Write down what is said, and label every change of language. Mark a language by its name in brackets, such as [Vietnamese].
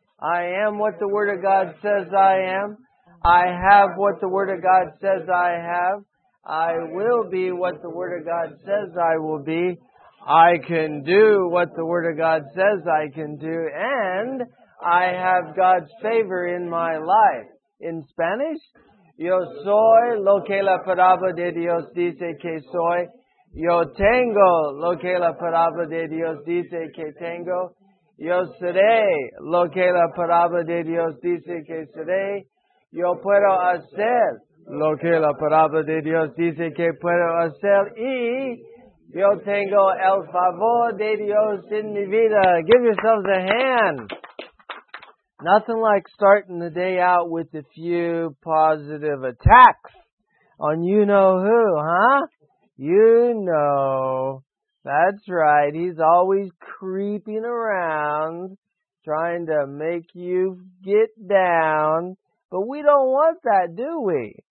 [English] I am what the Word of God says I am. I have what the Word of God says I have. I will be what the Word of God says I will be. I can do what the Word of God says I can do. And I have God's favor in my life. In Spanish, [Spanish] yo soy lo que la palabra de Dios dice que soy. Yo tengo lo que la palabra de Dios dice que tengo. Yo seré lo que la palabra de Dios dice que seré. Yo puedo hacer lo que la palabra de Dios dice que puedo hacer. Y yo tengo el favor de Dios en mi vida. [English] Give yourselves a hand. Nothing like starting the day out with a few positive attacks on you know who, huh? You know, that's right, he's always creeping around, trying to make you get down, but we don't want that, do we?